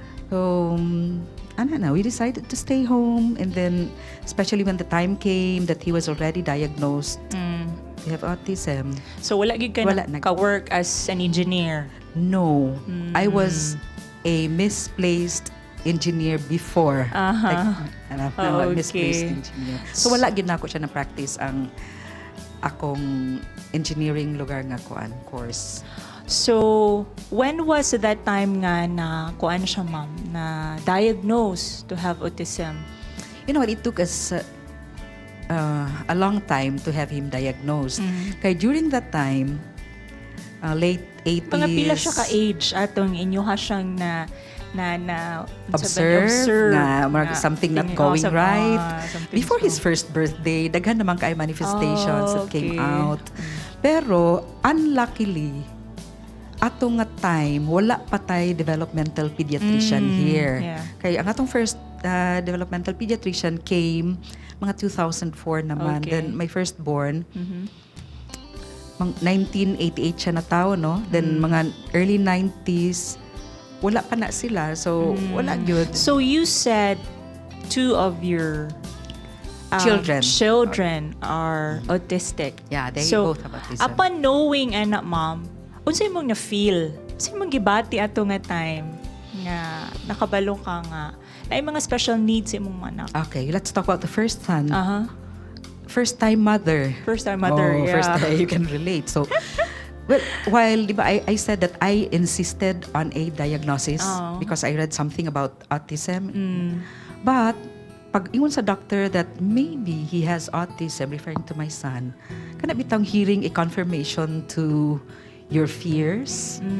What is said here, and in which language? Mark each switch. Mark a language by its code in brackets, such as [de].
[en] So, ana na, we decided to stay home, and then, especially when the time came that he was already diagnosed, we have autism. So, [ceb] wala gyud ka [en] work as an engineer? No. Mm-hmm. I was a misplaced engineer before. Misplaced engineer. [ceb] So, wala gyud na ako siya na practice ang akong engineering lugar nga kuan course. [en] So when was that time [ceb] nga na kuan siya [en] ma'am na diagnosed to have autism? You know what, it took us a long time to have him diagnosed. Kaya during that time, late 80s. [ceb] Mga pila siya ka age atong inyuha siyang na [en] observe [ceb] na mga [en] something not going right before his first birthday. [ceb] Daghan naman kaay manifestations [en] came out. [ceb] Pero unluckily atong time wala pa tay developmental pediatrician here. [en] Yeah. [ceb] Kay ang atong first developmental pediatrician came mga 2004 naman. [en] Okay. Then my first born mga 1988 [ceb] siya na tao, [en] no? [ceb] Then mga early 90s wala pa na sila, so wala yun. [en] So you said two of your children are autistic. Yeah, they so, both have autism. Upon knowing [ceb] anak mom, unsay mong na-feel? Unsay mong gibati ato nga time nga nakabalo ka nga na yung mga special needs yung mong manak? [en] Okay, let's talk about the first son. First time mother. Oh, yeah. First time, you can relate. So, well, while diba, I said that I insisted on a diagnosis because I read something about autism. But, [ceb] pag ingon sa doctor [en] that maybe he has autism, referring to my son, [ceb] kana bitang [en] hearing a confirmation to your fears.